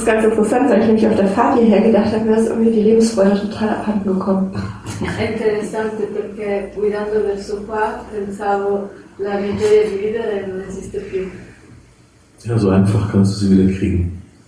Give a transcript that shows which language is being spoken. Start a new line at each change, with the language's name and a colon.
German: ist ganz interessant, weil ich nämlich auf der Fahrt hierher gedacht habe, mir ist irgendwie die Lebensfreude total abhanden gekommen.
Italian: Interessant, perché guidando verso qua pensavo la mia gioia di vivere non esiste più.
German: Ja, so einfach kannst du sie wieder kriegen.